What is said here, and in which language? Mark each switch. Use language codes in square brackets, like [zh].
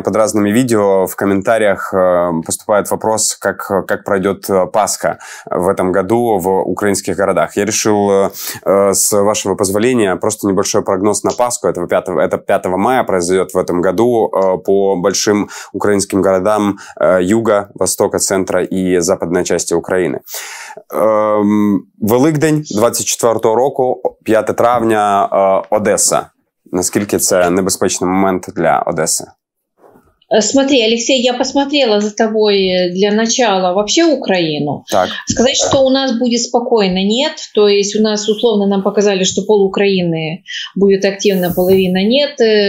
[ru] Под разными видео в комментариях поступает вопрос, как пройдет Пасха в этом году в украинских городах. Я решил, с вашего позволения, просто небольшой прогноз на Пасху. Это 5 мая произойдет в этом году по большим украинским городам юга, востока, центра и западной части Украины. [uk] Великдень, 24 року, 5 травня, Одеса. Наскільки це небезпечний момент для Одеси? [ru] Смотри, Алексей, я посмотрела за тобой для начала вообще Украину. Так. Сказать, что у нас будет спокойно, нет. То есть у нас условно нам показали, что пол Украины будет активно, половина нет.